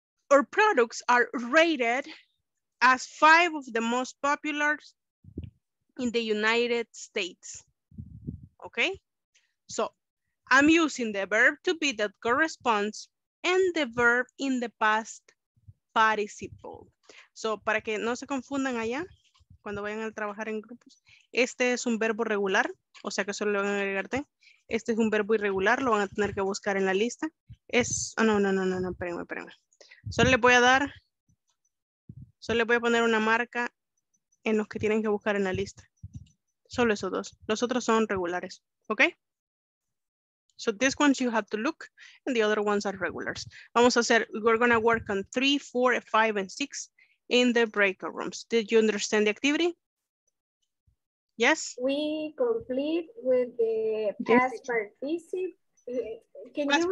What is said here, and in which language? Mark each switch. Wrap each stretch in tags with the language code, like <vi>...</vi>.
<en>Our products are rated as 5 of the most popular in the United States. Okay? So I'm using the verb to be that corresponds and the verb in the past participle.</en> <es>So, para que no se confundan allá, cuando vayan a trabajar en grupos, este es un verbo regular, o sea que solo le van a agregarte. Este es un verbo irregular, lo van a tener que buscar en la lista. Es, oh, no, no, no, no, no, espérenme, espérenme. Solo le voy a dar, solo le voy a poner una marca en los que tienen que buscar en la lista. Solo esos dos. Los otros son regulares, ¿ok?</es> <en>So this one you have to look, and the other ones are regulars.</en> <es>Vamos a hacer,</es> <en>we're gonna work on 3, 4, 5, and 6. In the breakout rooms. Did you understand the activity? Yes? We complete with the past participle. Can</en>